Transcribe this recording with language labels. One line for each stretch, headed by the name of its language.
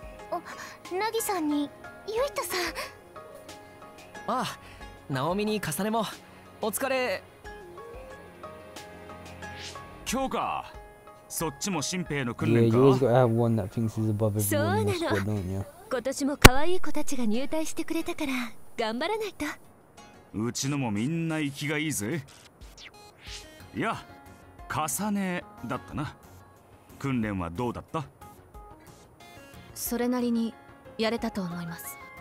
Japanese: ナギさんにユイトさん。ああ、ナオミにカサネもお疲れ。キョウカ、そっちも新兵の訓練か。
English: Yeah, you always gotta have one that thinks he's above everyone in the squad, don't you?
Japanese: そうなの。今年も可愛い子たちが入隊してくれたから頑張らないと。うちのもみんな生きがいいぜ。いや、カサネだったな。訓練はどうだった？それなりにやれたと思います。